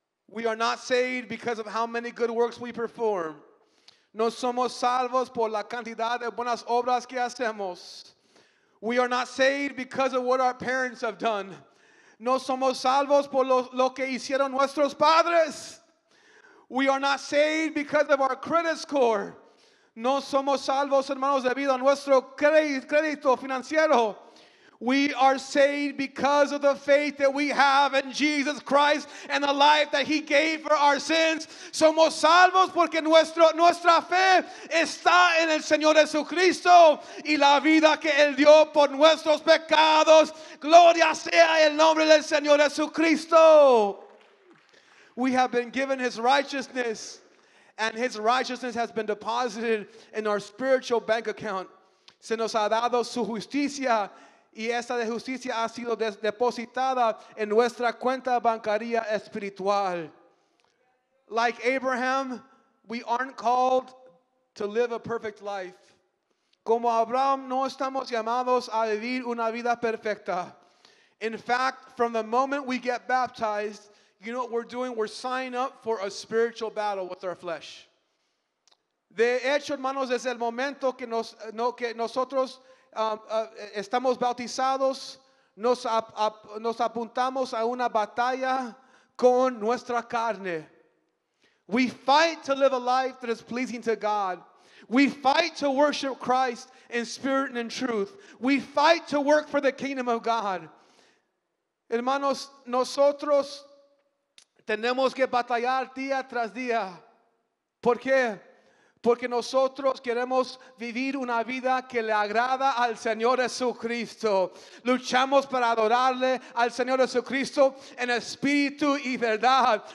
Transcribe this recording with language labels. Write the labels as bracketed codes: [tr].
[en] We are not saved because of how many good works we perform. [es] No somos salvos por la cantidad de buenas obras que hacemos. [en] We are not saved because of what our parents have done. [es] No somos salvos por lo que hicieron nuestros padres. [en] We are not saved because of our credit score. [es] No somos salvos, hermanos, debido a nuestro crédito financiero. [en] We are saved because of the faith that we have in Jesus Christ and the life that he gave for our sins. [es] Somos salvos porque nuestra fe está en el Señor Jesucristo y la vida que él dio por nuestros pecados. Gloria sea el nombre del Señor Jesucristo. [en] We have been given his righteousness. And his righteousness has been deposited in our spiritual bank account. [es] Se nos ha dado su justicia, y esa de justicia ha sido depositada en nuestra cuenta bancaria espiritual. [en] Like Abraham, we aren't called to live a perfect life. [es] Como Abraham, no estamos llamados a vivir una vida perfecta. [en] In fact, from the moment we get baptized, you know what we're doing? We're signing up for a spiritual battle with our flesh. [es] De hecho, hermanos, desde el momento que nosotros estamos bautizados, nos apuntamos a una batalla con nuestra carne. [en] We fight to live a life that is pleasing to God. We fight to worship Christ in spirit and in truth. We fight to work for the kingdom of God. [es] Hermanos, nosotros tenemos que batallar día tras día. ¿Por qué? Porque nosotros queremos vivir una vida que le agrada al Señor Jesucristo. Luchamos para adorarle al Señor Jesucristo en espíritu y verdad.